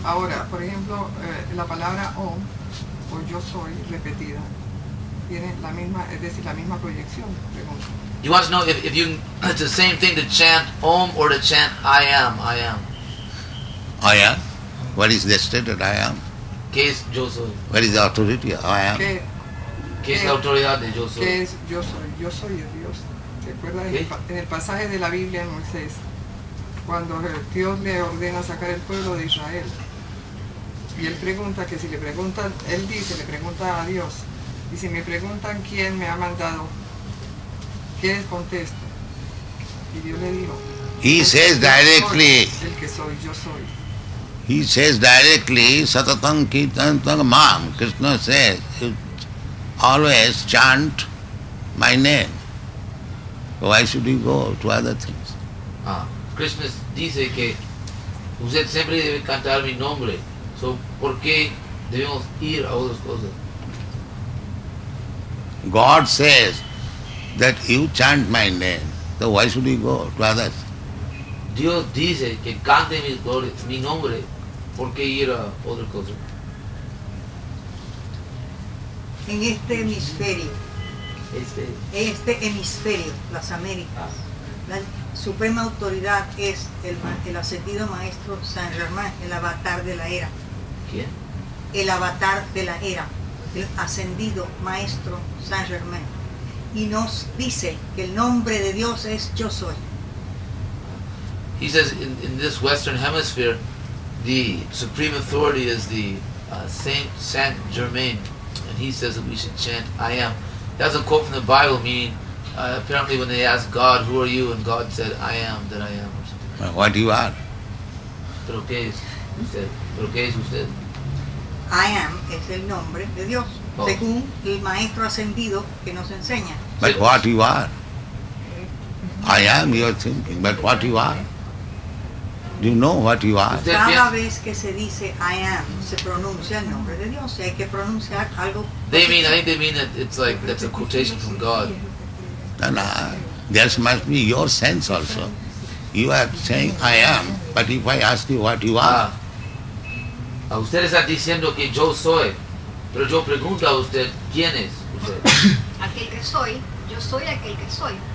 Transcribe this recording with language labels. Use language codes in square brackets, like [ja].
[es] Ahora, por ejemplo, la palabra om, o yo soy repetida, tiene la misma, es decir, la misma proyección. Pregunta. [en] You want to know if you, it's the same thing to chant Om or to chant I am, I am. I am. What is the state that I am? [es] ¿Qué es yo soy? [en] What is the authority? I am. [es] ¿Qué es la autoridad de yo soy? ¿Qué es yo soy? Yo soy el Dios. ¿Te acuerdas en el pasaje de la Biblia en Moisés cuando Dios le ordena sacar el pueblo de Israel? Y él pregunta, que si le preguntan, él dice, le pregunta a Dios, y si me preguntan quién me ha mandado, ¿qué les contesto? Y Dios le dijo, [en] he says directly, [es] el que soy, yo soy. [en] He says directly, [sa] satatam kirtantam mam. [en] Krishna says, always chant my name. Why should you go to other things? [es] Krishna dice que usted siempre debe cantar mi nombre. So, ¿por qué debemos ir a otras cosas? [en] God says that you chant my name, so why should you go to others? [es] Dios dice que cante mi nombre, ¿por qué ir a otras cosas? en este hemisferio, este hemisferio, las Américas. La suprema autoridad es el ascendido maestro Saint Germain, el avatar de la era. ¿Quién? El avatar de la era, el ascendido maestro Saint Germain. Y nos dice que el nombre de Dios es Yo Soy. [en] He says in this Western Hemisphere, the supreme authority is the Saint Germain, and he says that we should chant I Am. That's a quote from the Bible, meaning apparently when they asked God, who are you, and God said, I am that I am, or something. Well, what do you are? [es] Pero que es usted? Pero que es usted? I Am es el nombre de Dios, oh, según el maestro ascendido que nos enseña. [en] But what you are? I am, you're thinking, but what you are? Do you know what you are? [es] Cada vez que se dice I am, se pronuncia el nombre de Dios. Hay que pronunciar algo. [en] They mean, I think they mean that it's like that's a quotation from God. No, there must be your sense also. You are saying I am, but if I ask you what you are, [es] a usted está diciendo que yo soy, pero yo pregunto a usted quién es usted. Aquel que soy, yo soy aquel que soy.